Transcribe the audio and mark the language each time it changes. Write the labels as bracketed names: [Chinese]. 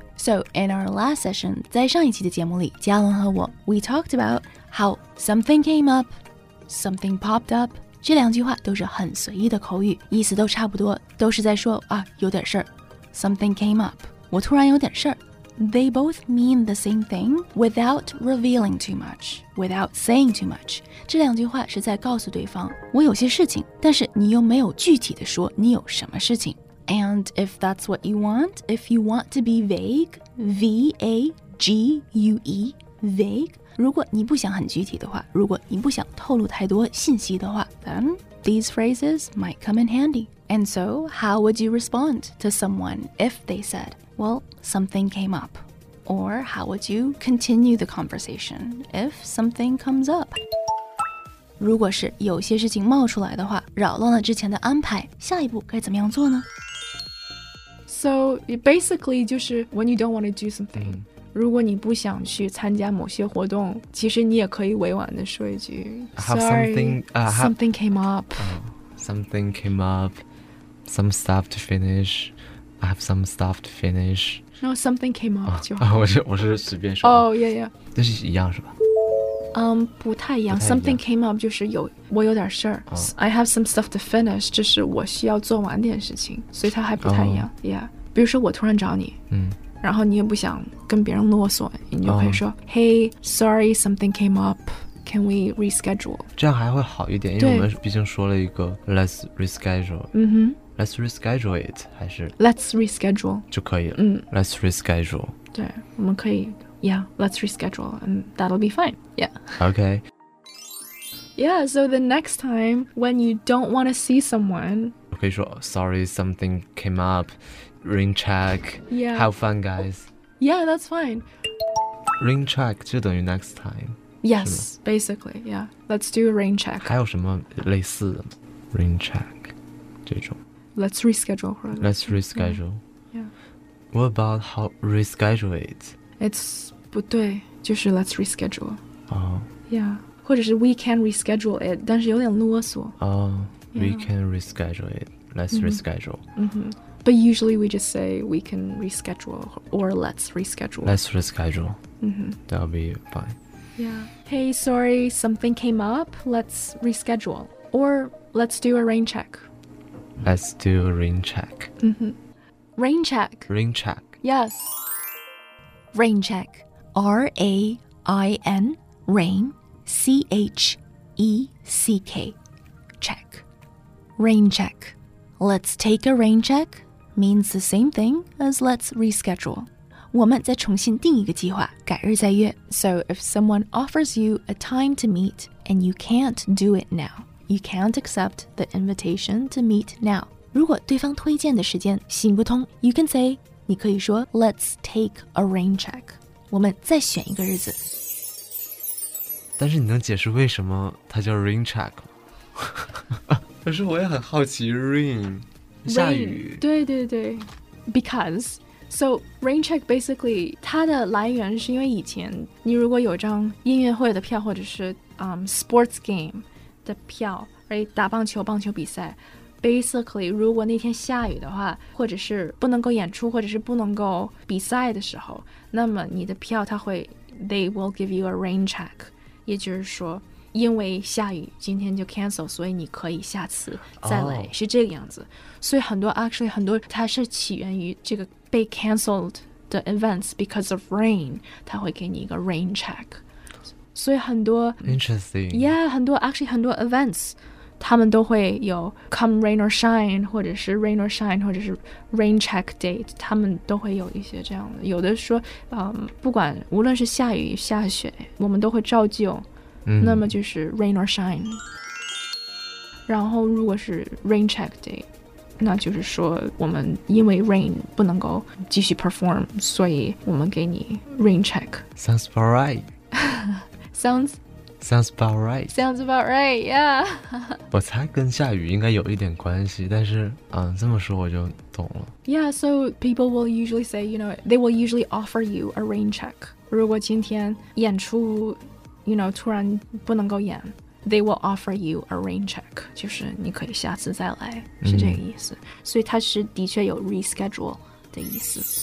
[English] So in our last session, [Chinese] 在上一期的节目里，嘉伦和我 [English] we talked about how something came up, something popped up. [Chinese] 这两句话都是很随意的口语，意思都差不多，都是在说啊有点事儿。 [English] Something came up. [Chinese] 我突然有点事儿。 [English] They both mean the same thing without revealing too much, without saying too much. [Chinese] 这两句话是在告诉对方，我有些事情，但是你又没有具体的说你有什么事情。 [English] And if that's what you want, if you want to be vague, V-A-G-U-E, vague, [Chinese] 如果你不想很具体的话，如果你不想透露太多信息的话， [English] then these phrases might come in handy. And so, how would you respond to someone if they said,Well, something came up. Or how would you continue the conversation if something comes up? [Chinese] 如果是有些事情冒出来的话，扰乱了之前的安排，下一步该怎么样做呢？ [English] So, basically, [Chinese] 就是 [English] when you don't want to do something, [Chinese] 如果你不想去参加某些活动，其实你也可以委婉地说一句 [English] something came up. Something came up, some stuff to finish. I have some stuff to finish. No, something came up. [Chinese] 我是随便说。 [English] Oh, yeah, yeah. [Chinese] 但是一样是吧？不太一样。 [English] Something came up [Chinese] 就是有我有点事儿。 [English] I have some stuff to finish. [Chinese] 就是我需要做完点事情，所以它还不太一样。 [English] Yeah. [Chinese] 比如说我突然找你，然后你也不想跟别人啰嗦，你就可以说 ， [English] Hey, sorry, something came up. Can we reschedule? [Chinese] 这样还会好一点，因为我们毕竟说了一个 [English] let's reschedule. Let's reschedule it, [Chinese] 还是 [English] Let's reschedule [Chinese] 就可以了。 [English] Let's reschedule. [Chinese] 对，我们可以 [English] Yeah, let's reschedule and that'll be fine. Yeah. Okay. Yeah, so the next time when you don't want to see someone, [Chinese] 我可以说 [English] Sorry, something came up. Ring check. Yeah. Have fun, guys. Yeah, that's fine. [Chinese] Ring check 就等于 [English] next time. Yes, basically, yeah. Let's do a ring check. [Chinese] 还有什么类似的 Ring check 这种。 [English] Let's reschedule her. Let's reschedule. Yeah. What about how reschedule it? It's [Chinese] 不对，就是 [English] let's reschedule. Oh. Yeah. [Chinese] 或者是 [English] we can reschedule it, [Chinese] 但是有点啰嗦。 [English] Oh. Yeah. We can reschedule it. Let's reschedule. But usually we just say we can reschedule or let's reschedule. Let's reschedule. That'll be fine. Yeah. Hey, sorry, something came up. Let's reschedule. Or let's do a rain check. Let's do a rain check. Rain check. Rain check. Yes. Rain check. R-A-I-N. Rain. C-H-E-C-K. Check. Rain check. Let's take a rain check means the same thing as let's reschedule. [Chinese] 我们再重新定一个计划，改日再约。 [English] So if someone offers you a time to meet and you can't do it now,You can't accept the invitation to meet now. [Chinese] 如果对方推荐的时间行不通 [English] you can say, [Chinese] 你可以说 [English] let's take a rain check. [Chinese] 我们再选一个日子。但是你能解释为什么它叫 rain check 吗？可是我也很好奇 rain, 下雨。对对对 [English] because, so rain check basically, [Chinese] 它的来源是因为以前你如果有张音乐会的票或者是、 [English] sports game, [Chinese] 的票 right? 打棒球棒球比赛 basically 如果那天下雨的话或者是不能够演出或者是不能够比赛的时候那么你的票它会 [English] they will give you a rain check [Chinese] 也就是说因为下雨今天就 cancel 所以你可以下次再来、oh. 是这个样子所以很多 actually 很多它是起源于这个被 canceled 的 [English] events because of rain [Chinese] 它会给你一个 rain checkSo, [English] Interesting. [Chinese] Yeah, 很多 actually, 很多 events, 他们都会有 [English] come rain or shine, [Chinese] 或者是 [English] rain or shine, [Chinese] 或者是 rain check date, 他们都会有一些这样的。有的说、不管无论是下雨下雪我们都会照旧、那么就是 [English] rain or shine. [Chinese] 然后如果是 rain check date, 那就是说我们因为 rain 不能够继续 perform, 所以我们给你 rain check. [English] Sounds about right. Sounds about right. Sounds about right, yeah. [Chinese] 我猜跟下雨应该有一点关系，但是，这么说我就懂了。 [English] Yeah, so people will usually say, you know, they will usually offer you a rain check. [Chinese] 如果今天演出 you know, 突然不能够演 [English] they will offer you a rain check, [Chinese] 就是你可以下次再来，是这个意思。所以它是的确有 reschedule 的意思。